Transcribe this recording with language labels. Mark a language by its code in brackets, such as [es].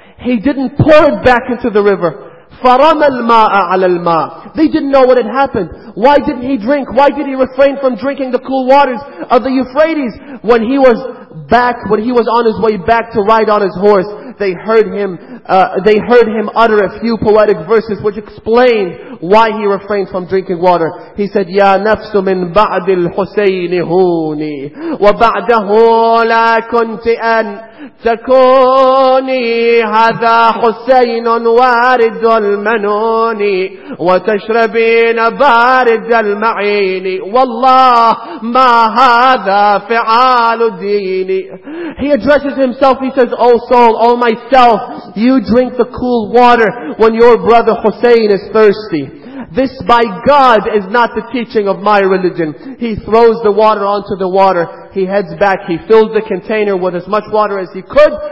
[en] He didn't pour it back into the river. [ar] فَرَمَ الْمَاءَ عَلَى الْمَاءَ [en] They didn't know what had happened. Why didn't he drink? Why did he refrain from drinking the cool waters of the Euphrates? When he was back, when he was on his way back to ride on his horse, they heard him utter a few poetic verses which explained why he refrained from drinking water. He said, [ar] يَا نَفْسُ مِنْ بَعْدِ الْحُسَيْنِ هُونِي وَبَعْدَهُ لَا كُنْتِ أَنْ تكوني هذا حسين وارد المنون وتشربين بارد المعين والله ما هذا فعال ديني. [en] He addresses himself, he says, O soul, O myself, you drink the cool water when your brother Hussein is thirsty. This, by God, is not the teaching of my religion. He throws the water onto the water. He heads back. He fills the container with as much water as he could.